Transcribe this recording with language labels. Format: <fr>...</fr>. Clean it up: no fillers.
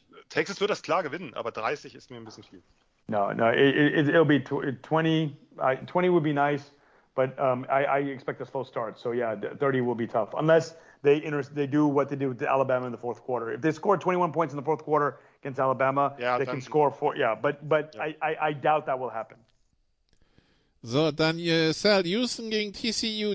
<de>Texas wird das klar gewinnen, aber 30 ist mir ein bisschen viel.</de> <en>No, it'll be 20 would be nice, but I expect a slow start. So yeah, 30 will be tough unless they do what they do with Alabama in the fourth quarter. If they score 21 points in the fourth quarter against Alabama, they can score 4. Yeah, but yeah. I doubt that will happen.</en> <de>So, dann Sal, Houston gegen TCU.</de>